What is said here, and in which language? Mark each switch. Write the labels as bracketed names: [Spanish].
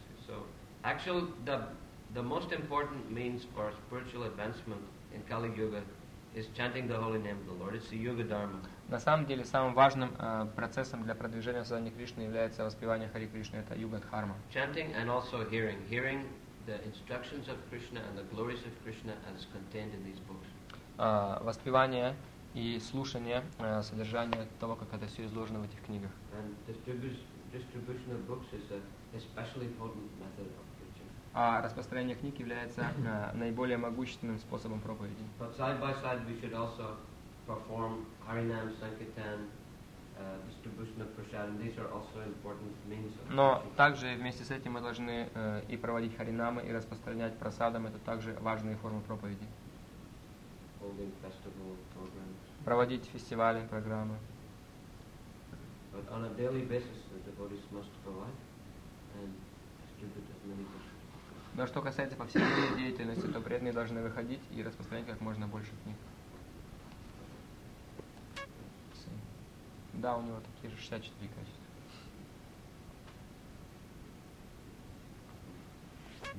[English] So, actually, the most important means for spiritual advancement in Kali Yuga is chanting the holy name of the Lord. It's the Yuga Dharma. [Russian] На самом деле, самым важным процессом для продвижения сознания Кришны является воспевание Хари Кришны, это Юга Дхарма. [English] Chanting and also hearing. Hearing the instructions of Krishna and the glories of Krishna as contained in these books. [Russian] Воспевание и слушание содержания того, как это все изложено в этих книгах. [English] And distribution of books is an especially potent method of preaching. [Russian] А распространение книг является наиболее могущественным способом проповеди. [English] But side by side we should also perform Harinam, Sankirtan, distribution of prasad, and these are also important means of. [Russian] Но также вместе с этим мы должны и проводить харинамы, и распространять прасадам. Это также важные формы проповеди. [English] Holding festival programs. [Russian] Проводить фестивали, программы. [English] But on a daily basis, the devotees must go out and distribute as many books. [Russian] Но что касается повседневной деятельности, то преданные должны выходить и распространять как можно больше книг. Да, у него такие же 64 качества.